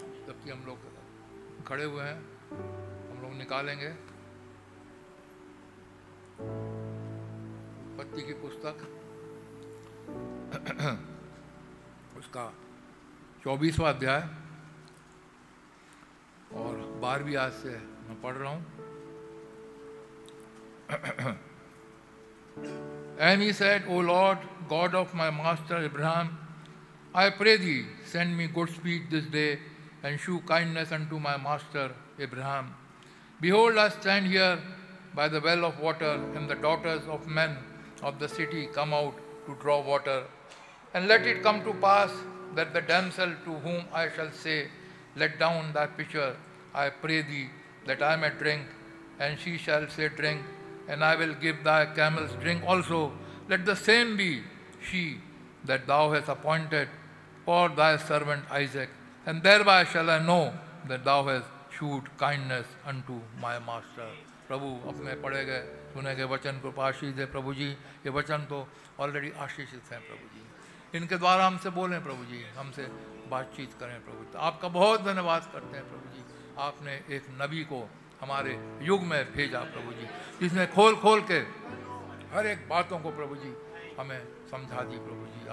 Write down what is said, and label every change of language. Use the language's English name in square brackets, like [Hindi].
[Hindi] जबकि हम लोग खड़े हुए हैं, हम लोग निकालेंगे उत्पत्ति की पुस्तक उसका 24वां अध्याय और 12वीं आयत से मैं पढ़ रहा हूँ। [English] And he said, O Lord, God of my master Abraham, I pray thee, send me good speed this day, and shew kindness unto my master Abraham. Behold, I stand here by the well of water, and the daughters of men of the city come out to draw water. And let it come to pass that the damsel to whom I shall say, Let down thy pitcher, I pray thee, that I may drink, and she shall say, Drink, and I will give thy camels drink also. Let the same be she that thou hast appointed for thy servant Isaac, and thereby shall I know that thou hast shewed kindness unto my master. [Hindi] प्रभु अपने पढ़े गए सुने गए वचन को आशीष दे प्रभु जी। ये वचन तो ऑलरेडी आशीषित हैं प्रभु जी, इनके द्वारा हमसे बोलें प्रभु जी, हमसे बातचीत करें प्रभु जी। आपका बहुत धन्यवाद करते हैं प्रभु जी, आपने एक नबी को हमारे युग में भेजा प्रभु जी, जिसने खोल खोल के हर एक बातों को प्रभु जी हमें समझा दी प्रभु जी।